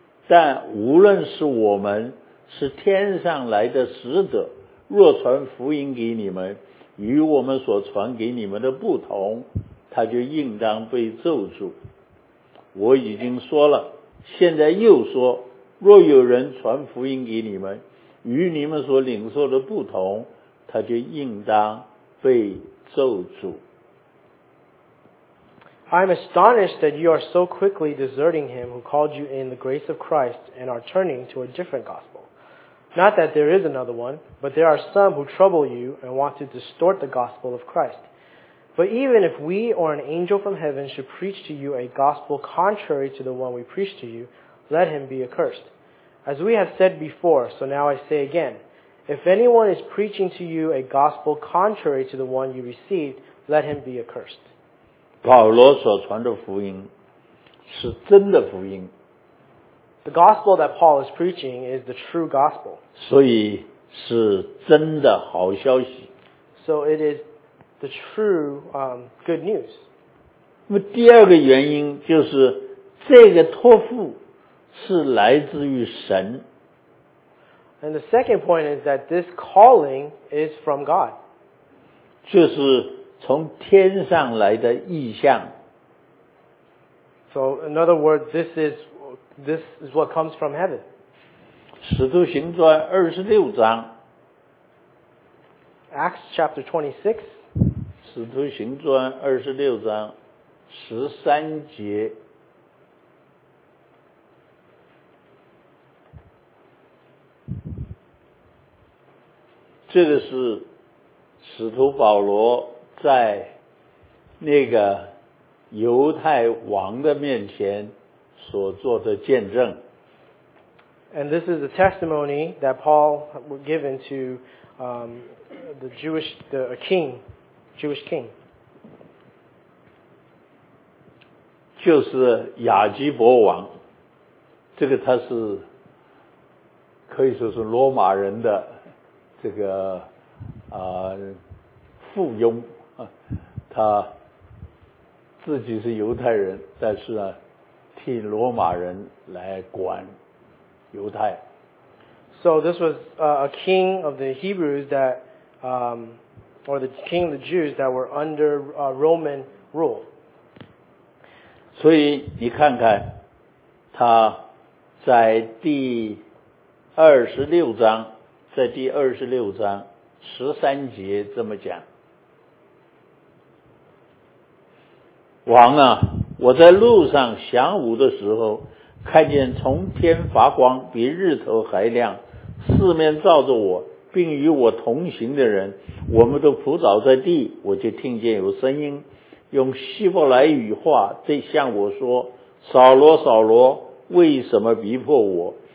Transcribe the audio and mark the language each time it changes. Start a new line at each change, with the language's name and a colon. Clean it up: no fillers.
Chinese: 但无论是我们是天上来的使者，若传福音给你们与我们所传给你们的不同，他就应当被咒诅。我已经说了，现在又说，若有人传福音给你们与你们所领受的不同，他就应当被咒诅。
English: I am astonished that you are so quickly deserting him who called you in the grace of Christ and are turning to a different gospel. Not that there is another one, but there are some who trouble you and want to distort the gospel of Christ. But even if we or an angel from heaven should preach to you a gospel contrary to the one we preach to you, let him be accursed. As we have said before, so now I say again, if anyone is preaching to you a gospel contrary to the one you received, let him be accursed.
Chinese: 保罗所传的福音是真的福音。
English: The gospel that Paul is preaching is the true gospel.
Chinese: 所以是真的好消息。
English: So it is the true, good news.
Chinese: 那么第二个原因就是这个托付是来自于神。
English: And the second point is that this calling is from God.
Chinese: 就是从天上来的异象。
English: So in other words, this is what comes from heaven.
Chinese: 使徒行传二十六章。
English: Acts chapter 26.
Chinese: 使徒行传二十六章十三节。这个是使徒保罗在那个犹太王的面前所做的见证。
English: And this is the testimony that Paul was given to, the Jewish, the king, Jewish king.
Chinese: 就是亚基伯王，这个他是可以说是罗马人的。这个附庸，他自己是犹太人，但是呢替罗马人来管犹太。
English: So this was a king of the Hebrews that, or the king of the Jews that were under Roman rule.
Chinese: 所以你看看他在第二十六章。在第二十六章十三节这么讲，王啊，我在路上晌午的时候，看见从天发光，比日头还亮，四面照着我，并与我同行的人，我们都伏倒在地，我就听见有声音，用希伯来语话对向我说：扫罗，扫罗，为什么逼迫我？